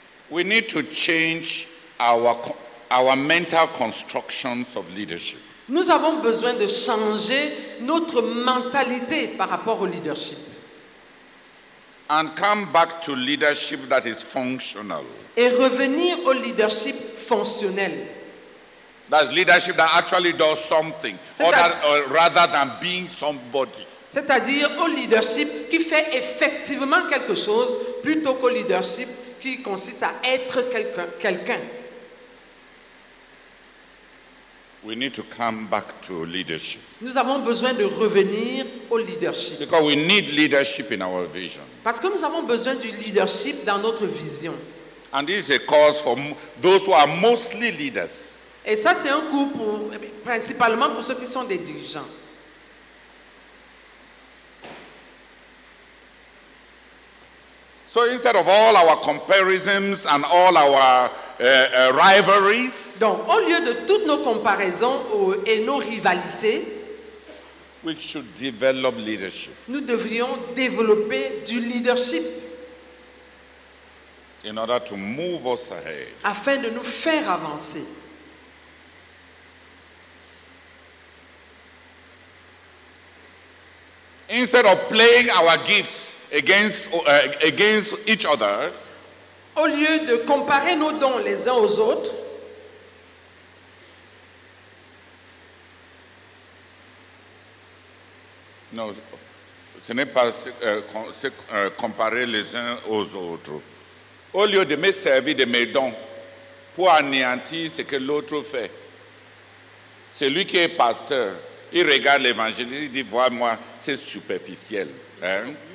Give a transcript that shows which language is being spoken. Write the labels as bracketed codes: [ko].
[en] We need to change our mental constructions of leadership. [fr] Nous avons besoin de changer notre mentalité par rapport au leadership. [en] And come back to leadership that is functional. [fr] Et revenir au leadership fonctionnel. [en] That's leadership that actually does something, rather than being somebody. [fr] C'est-à-dire au leadership qui fait effectivement quelque chose plutôt qu'au leadership qui consiste à être quelqu'un. [en] We need to come back to leadership. [fr] Nous avons besoin de revenir au leadership. [en] Because we need leadership in our vision. [fr] Parce que nous avons besoin du leadership dans notre vision. [en] And this is a cause for those who are mostly leaders. [fr] Et ça, c'est un coup pour, principalement pour ceux qui sont des dirigeants. [en] So instead of all our comparisons and all our rivalries, [fr] donc au lieu de toutes nos comparaisons et nos rivalités, [en] we should develop leadership. [fr] Nous devrions développer du leadership. [en] In order to move us ahead. [fr] Afin de nous faire avancer. [en] Instead of playing our gifts against each other, [fr] au lieu de comparer nos dons les uns aux autres, non, ce n'est pas comparer les uns aux autres. Au lieu de me servir de mes dons pour anéantir ce que l'autre fait, celui qui est pasteur, il regarde l'évangile, il dit, vois-moi, c'est superficiel. Hein?